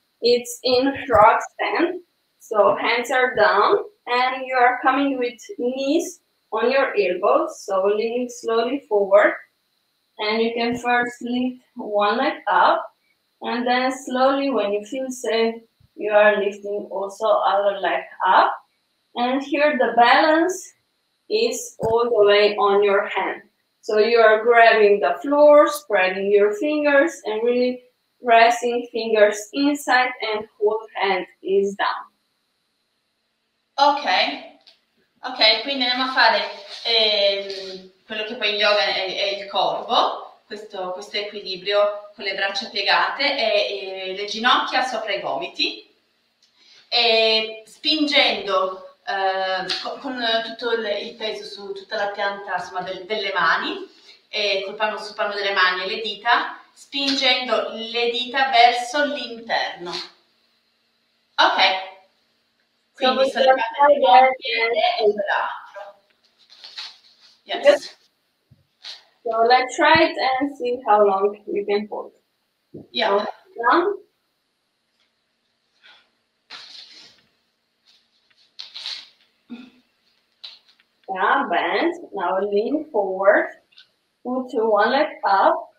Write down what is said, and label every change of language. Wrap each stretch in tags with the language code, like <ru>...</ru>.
<en>It's in frog stand, so hands are down, and you are coming with knees on your elbows, so leaning slowly forward, and you can first lift one leg up, and then slowly, when you feel safe, you are lifting also other leg up, and here the balance is all the way on your hand. So you are grabbing the floor, spreading your fingers, and really pressing fingers inside, and whole hand is down. Ok.</en> <it>Ok, quindi andiamo a fare quello che poi in yoga è il corpo, questo equilibrio con le braccia piegate e le ginocchia sopra i gomiti, e spingendo con tutto il peso su tutta la pianta, insomma, delle mani, e col palmo sul palmo delle mani e le dita, spingendo le dita verso l'interno. Ok, quindi so, sollevate il piede e il braccio.</it> <en>Yes. So let's try it and see how long you can hold. Yeah. So, yeah, bend. Now lean forward. Put one leg up.</en>